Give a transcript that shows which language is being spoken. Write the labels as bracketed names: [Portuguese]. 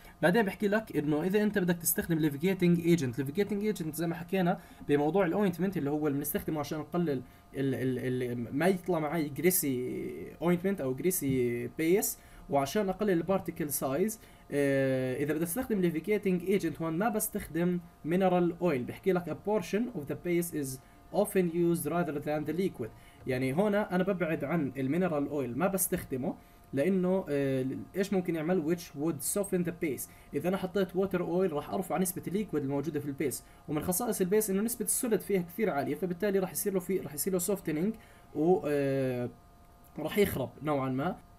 [Arabic] بعدين بحكي لك انه اذا انت بدك تستخدم ليفيجيتنج ايجنت، ليفيجيتنج ايجنت زي ما حكينا بموضوع الاوينتمنت اللي هو اللي بنستخدمه عشان نقلل ما يطلع معي جريسي اوينتمنت او جريسي بيس، وعشان اقلل البارتيكل سايز اذا بدي استخدم ليفيجيتنج ايجنت هون ما بستخدم مينرال اويل. بحكي لك [English] a portion of the base is often used rather than the liquid. [Arabic] يعني هون انا ببعد عن المينرال اويل ما بستخدمه لانه ايش ممكن يعمل [English] which would soften the base. [Arabic] اذا انا حطيت ووتر اويل راح ارفع نسبه الليكويد الموجوده في البيس، ومن خصائص البيس انه نسبه السوليد فيها كثير عاليه فبالتالي راح يصير له في راح يصير له سوفتنينج وراح يخرب نوعا ما.